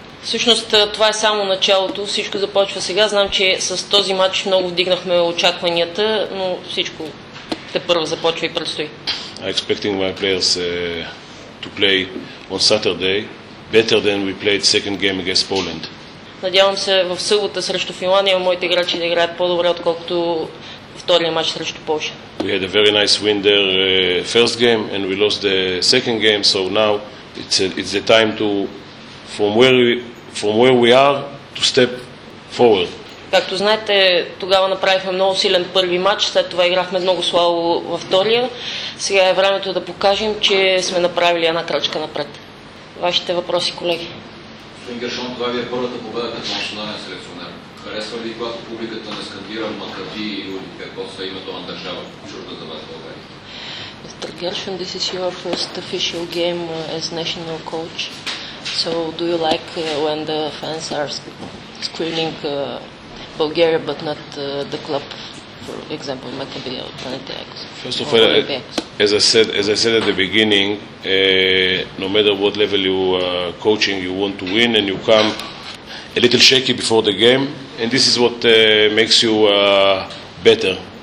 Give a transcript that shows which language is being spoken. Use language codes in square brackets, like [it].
[bg] Всъщност това е само началото, всичко започва сега. Знам, че с този матч много вдигнахме очакванията, но всичко те първо започва и предстои. [en] I'm expecting my players to play on Saturday better than we played second game against Poland. [bg] Надявам се в събота срещу Финландия моите играчи да играят по-добре, отколкото втория матч срещу Полша. [en] We had a very nice win there first game and we lost the second game, so now it's the time to from where we are to step forward. [bg] Както знаете, тогава направихме много силен първи матч, след това играхме много слабо във втория. Сега е времето да покажем, че сме направили една крачка напред. Вашите въпроси, колеги. Господин Гершон, това ви е първата победа като национален селекционер. Харесва ли, когато публиката не скандира Макаби и Руди, какво са името на държава, чурка за вас България? [en] Мистер Гершон, this is your first official game as national coach. So do you like when the fans are screaming Bulgaria but not the club, for example Maccabi or Panathinaikos? First of all, as I said at the beginning, no matter what level you are coaching, you want to win and you come a little shaky before the game, and this is what makes you better.